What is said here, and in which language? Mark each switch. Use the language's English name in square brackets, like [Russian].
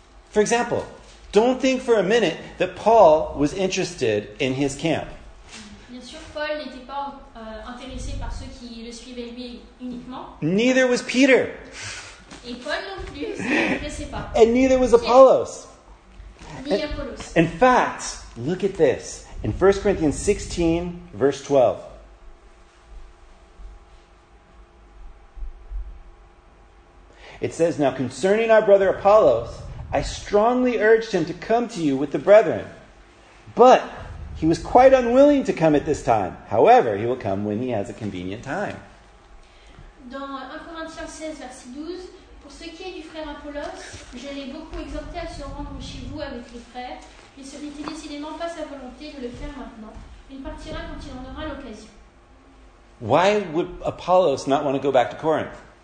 [English] For example, don't think for a minute that Paul was interested in his camp. [French] Bien sûr, Paul n'était pas intéressé par ceux qui le suivaient lui uniquement. [English] Neither was Peter. [French] Et Paul non plus, il ne connaissait pas. [English] And neither was Apollos. [French] Ni Apollos. [English] In fact, look at this. In 1 Corinthians 16, verse 12. It says, now concerning our brother Apollos, I strongly urged him to come to you with the brethren. But he was quite unwilling to come at this time. However, he will come when he has a convenient time. [French] Dans 1 Corinthiens 16, verset 12, pour ce qui est du frère Apollos, je l'ai beaucoup exhorté à se rendre chez vous avec les frères, mais ce n'était décidément pas sa volonté de le faire maintenant. Il partira quand il en aura l'occasion. [English] Why would Apollos not want to go back to Corinth?